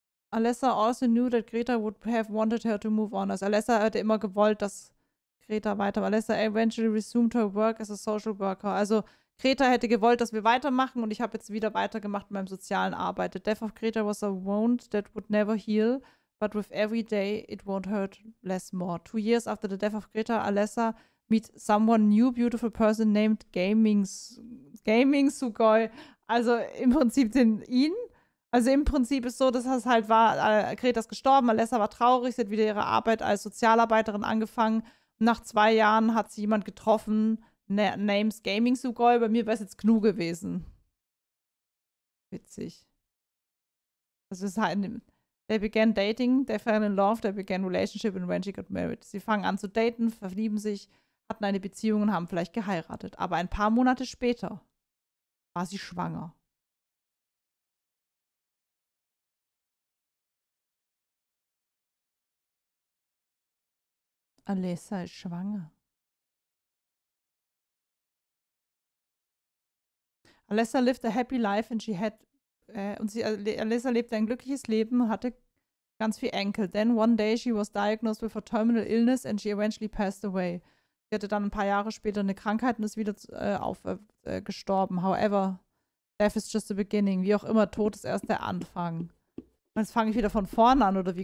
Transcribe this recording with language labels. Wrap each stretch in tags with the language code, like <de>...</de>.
<en>Alessa also knew that Greta would have wanted her to move on.</en> <de>Also Alessa hatte immer gewollt, dass Greta weitermacht.</de> <en>Alessa eventually resumed her work as a social worker.</en> <de>Also Greta hätte gewollt, dass wir weitermachen und ich habe jetzt wieder weitergemacht mit meinem sozialen Arbeit.</de> <en>The death of Greta was a wound that would never heal. But with every day, it won't hurt less more. 2 years after the death of Greta, Alessa meet someone new, beautiful person named Gaming Sugoi.</en> <de>Also im Prinzip ihn. Also im Prinzip ist so, dass es halt war, Greta ist gestorben, Alessa war traurig, sie hat wieder ihre Arbeit als Sozialarbeiterin angefangen. Nach 2 Jahren hat sie jemand getroffen, names Gaming Sugoi. Bei mir wäre es jetzt Gnu gewesen. Witzig. Also es ist halt</de> <en>They began dating, they fell in love, they began relationship and when she got married.</en> <de>Sie fangen an zu daten, verlieben sich, hatten eine Beziehung und haben vielleicht geheiratet. Aber ein paar Monate später war sie schwanger. Alessa ist schwanger.</de> <en>Alessa lived a happy life and she had</en> <de>Alessa lebte ein glückliches Leben und hatte ganz viel Enkel.</de> <en>Then one day she was diagnosed with a terminal illness and she eventually passed away.</en> <de>Sie hatte dann ein paar Jahre später eine Krankheit und ist wieder gestorben.</de> <en>However, death is just the beginning.</en> <de>Wie auch immer, Tod ist erst der Anfang. Jetzt fange ich wieder von vorne an, oder wie?</de>